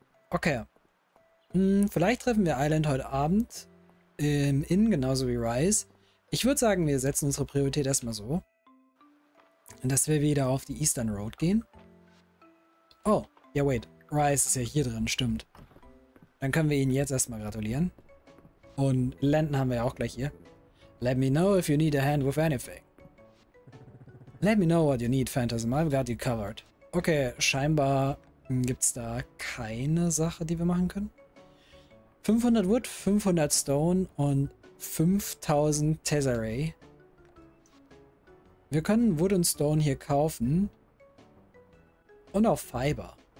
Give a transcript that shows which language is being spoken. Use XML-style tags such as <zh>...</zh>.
<de>Okay, vielleicht treffen wir Island heute Abend im Inn, genauso wie Rice. Ich würde sagen, wir setzen unsere Priorität erstmal so, dass wir wieder auf die Eastern Road gehen. Oh, ja wait, Rice ist ja hier drin, stimmt. Dann können wir ihn jetzt erstmal gratulieren. Und Landon haben wir ja auch gleich hier.</de> <en>Let me know if you need a hand with anything. Let me know what you need, Phantasm. I've got you covered.</en> <de>Okay, scheinbar gibt es da keine Sache, die wir machen können. 500 Wood, 500 Stone und 5000 Tesserae. Wir können Wood und Stone hier kaufen. Und auch Fiber.</de>